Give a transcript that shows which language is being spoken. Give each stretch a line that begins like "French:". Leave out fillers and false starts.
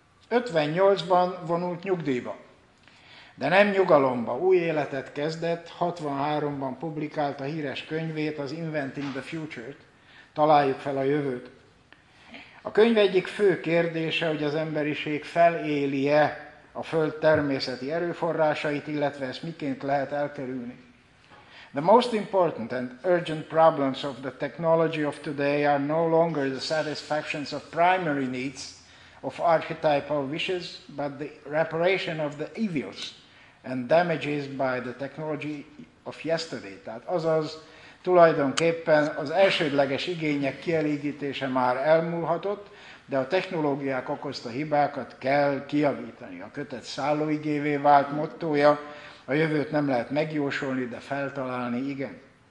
Hungarian: 58-ban vonult nyugdíjba, de nem nyugalomba, új életet kezdett, 63-ban publikálta híres könyvét, az Inventing the Future-t, találjuk fel a jövőt. A könyv egyik fő kérdése, hogy az emberiség feléli-e a Föld természeti erőforrásait, illetve ezt miként lehet elkerülni.
English: The most important and urgent problems of the technology of today are no longer the satisfactions of primary needs of archetypal wishes, but the reparation of the evils and damages by the technology of yesterday.
Hungarian: Tehát azaz tulajdonképpen az elsődleges igények kielégítése már elmúlhatott, de a technológiák okozta hibákat kell kijavítani. A kötet szállóigévé vált mottója, a jövőt nem lehet megjósolni, de feltalálni igen.